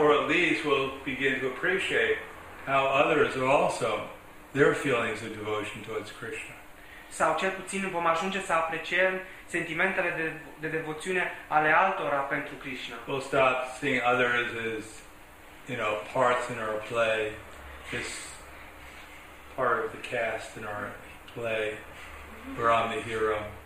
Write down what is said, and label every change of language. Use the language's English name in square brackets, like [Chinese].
[English] Or at least we'll begin to appreciate how others are also their feelings of devotion towards Krishna. [Romanian] Sau cel puțin vom ajunge să apreciem sentimentele de devoțiune ale altora pentru Krishna. [English] We'll stop seeing others as, you know, parts in our play, just part of the cast in our play, where I'm the hero.